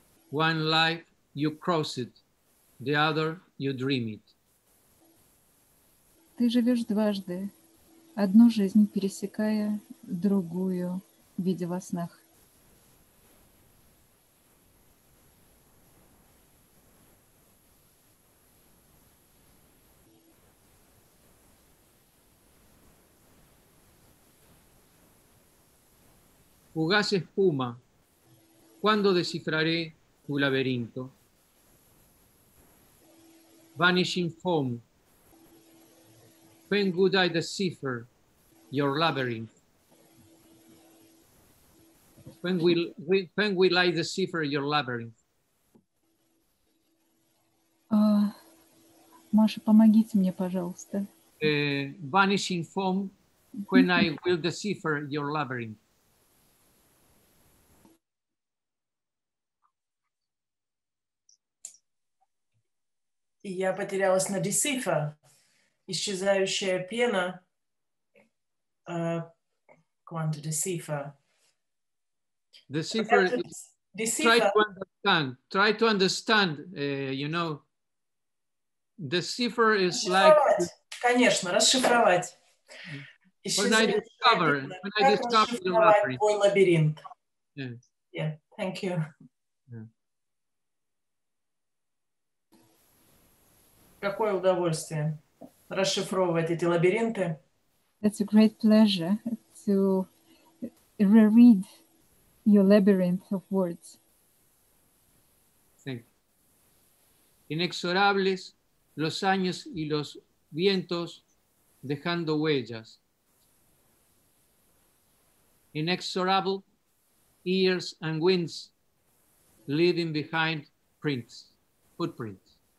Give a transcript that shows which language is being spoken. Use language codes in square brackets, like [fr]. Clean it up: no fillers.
[en] One life you cross it, the other you dream it. [ru] Ты живешь дважды, одну жизнь пересекая, другую видя во снах. [es] Fugaz espuma, ¿cuándo descifraré tu laberinto? [en] Vanishing foam, when would I decipher your labyrinth? When will I decipher your labyrinth? [ru] Маша, помогите мне, пожалуйста. [en] Vanishing foam, when I will decipher your labyrinth? [ru] Я потерялась на Десифа, исчезающая пена. Quando Десифа. [en] Десифа. Try to understand. Try to understand. You know. Десифа is like. [ru] Конечно, расшифровать. [en] When I discover your labyrinth. [ru] Твой лабиринт. [en] Yeah. Yeah. Thank you. [ru] Какое удовольствие расшифровывать эти лабиринты. [en] It's a great pleasure to reread your labyrinth of words. Thank you. [es] Inexorables los años y los vientos dejando huellas. [en] Inexorable years and winds leaving behind prints, footprints.